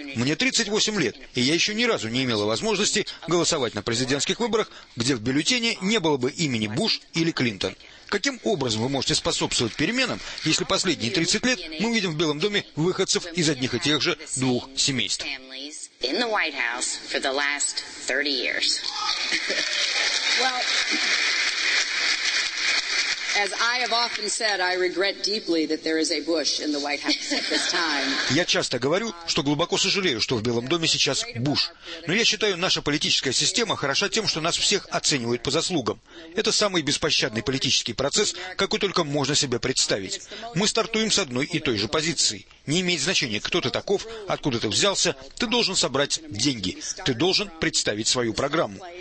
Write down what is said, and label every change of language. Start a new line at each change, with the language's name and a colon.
Russian: Мне 38 лет, и я еще ни разу не имела возможности голосовать на президентских выборах, где в бюллетене не было бы имени Буш или Клинтон. Каким образом вы можете способствовать переменам, если последние 30 лет мы видим в Белом доме выходцев из одних и тех же двух семейств?
English: In the White House for the last 30 years. Well, as I have often said, I regret deeply that there is a Bush in the White House at this time.
Russian: Я часто говорю, что глубоко сожалею, что в Белом доме сейчас Буш. Но я считаю, наша политическая система хороша тем, что нас всех оценивают по заслугам. Это самый беспощадный политический процесс, какой только можно себе представить. Мы стартуем с одной и той же позиции. Не имеет значения, кто ты таков, откуда ты взялся, ты должен собрать деньги, ты должен представить свою программу.